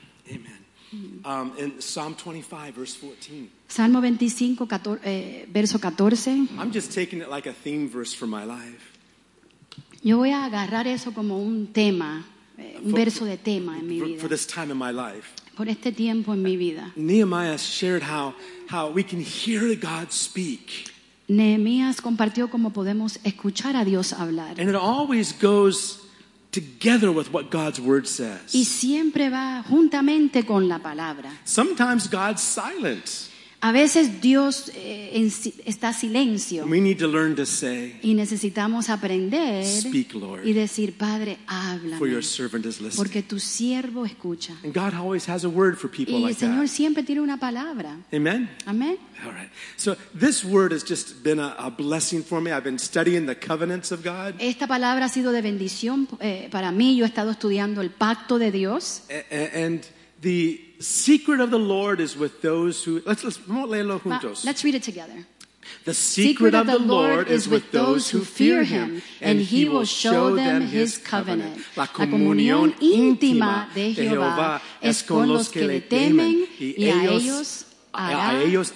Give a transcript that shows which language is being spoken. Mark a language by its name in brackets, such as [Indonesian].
[English] Amen. In Psalm 25, verse 14. [Spanish] Salmo 25, verso 14. [English] I'm just taking it like a theme verse for my life. [Spanish] Yo voy a agarrar eso como un tema, un verso de tema en mi vida. [English] For this time in my life. [Spanish] Por este tiempo en mi vida. [English] Nehemiah shared how we can hear God speak. [Spanish] Nehemías compartió cómo podemos escuchar a Dios hablar. [English] And it always goes together with what God's word says. [Spanish] Y siempre va juntamente con la palabra. [English] Sometimes God's silent. [Spanish] A veces Dios está silencio. [English] We need to learn to say, [Spanish] y necesitamos aprender, [English] speak, Lord, [Spanish] y decir, Padre, háblame, [English] for your servant is listening. [Spanish] Porque tu siervo escucha. [English] And God always has a word for people [Spanish] y [English] like [Spanish] el Señor [English] that. [Spanish] Siempre tiene una palabra. [English] Amen? Amen. All right. So this word has just been a blessing for me. I've been studying the covenants of God. [Spanish] Esta palabra ha sido de bendición para mí. Yo he estado estudiando el pacto de Dios. [English] The secret of the Lord is with those who... Let's [Spanish] vamos a leerlo juntos. [English] Let's read it together. The secret of the Lord is with those who fear him, and he will show them his covenant. [Spanish] La comunión íntima de Jehová es con los que le temen, y a ellos